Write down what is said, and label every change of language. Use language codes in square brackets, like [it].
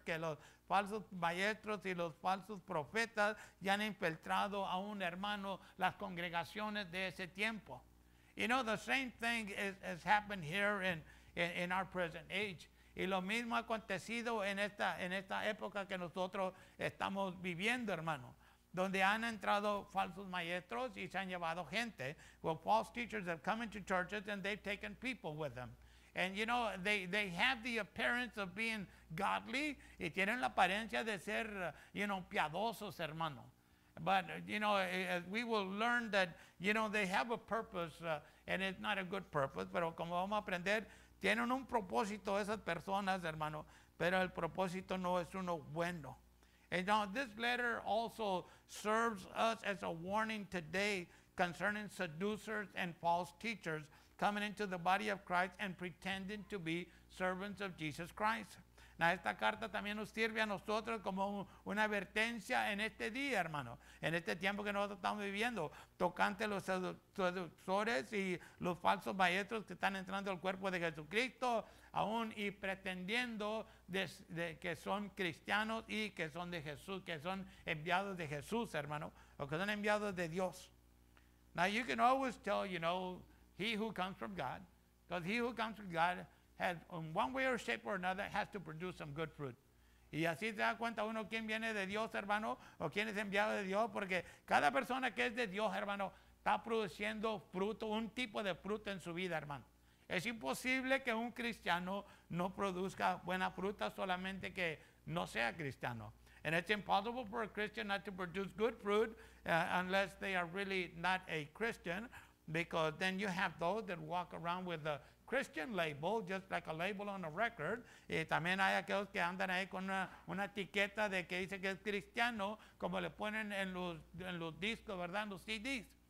[es] Que los falsos maestros y los falsos profetas ya han infiltrado aún, hermano, las congregaciones de ese tiempo. [en] You know, the same thing has happened here in our present age. [es] Y lo mismo ha acontecido en esta época que nosotros estamos viviendo, hermano, donde han entrado falsos maestros y se han llevado gente. [en] Well, false teachers have come into churches and they've taken people with them. And you know, they have the appearance of being godly [es] y tienen la apariencia de ser, [en] you know, [es] piadosos, hermano. [en] But, you know, we will learn that, you know, they have a purpose and it's not a good purpose, [es] pero como vamos a aprender, tienen un propósito esas personas, hermano, pero el propósito no es uno bueno. [en] And now this letter also serves us as a warning today concerning seducers and false teachers coming into the body of Christ and pretending to be servants of Jesus Christ. [es] Now, esta carta también nos sirve a nosotros como una advertencia en este día, hermano, en este tiempo que nosotros estamos viviendo, tocante los seductores y los falsos maestros que están entrando al cuerpo de Jesucristo, aún y pretendiendo de que son cristianos y que son de Jesús, que son enviados de Jesús, hermano, o que son enviados de Dios. [en] Now, you can always tell, you know, he who comes from God, because he who comes from God has, in one way or shape or another, has to produce some good fruit. [es] Y así se da cuenta uno quién viene de Dios, hermano, o quién es enviado de Dios, porque cada persona que es de Dios, hermano, está produciendo fruto, un tipo de fruto en su vida, hermano. Es imposible que un cristiano no produzca buena fruta solamente que no sea cristiano. [en] And it's impossible for a Christian not to produce good fruit unless they are really not a Christian, because then you have those that walk around with the Christian label, just like a label on a record. [es] Y también hay aquellos que andan ahí con una etiqueta de que dice que es cristiano, como le ponen en los discos, ¿verdad? En los CDs.